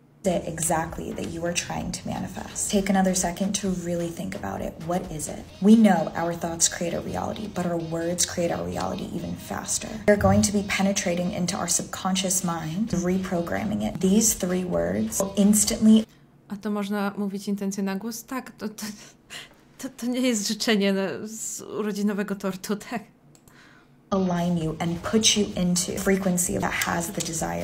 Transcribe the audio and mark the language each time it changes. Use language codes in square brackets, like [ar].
[en] Is it exactly that you are trying to manifest? Take another second to really think about it. What is it? We know our thoughts create a reality, but our words create our reality even faster. They're going to be penetrating into our subconscious mind, reprogramming it. These three words will instantly... [pl] A to można mówić intencje na głos? Tak, to, to, to, To nie jest życzenie z urodzinowego tortu, tak? [en] Align you and put you into frequency that has the desire.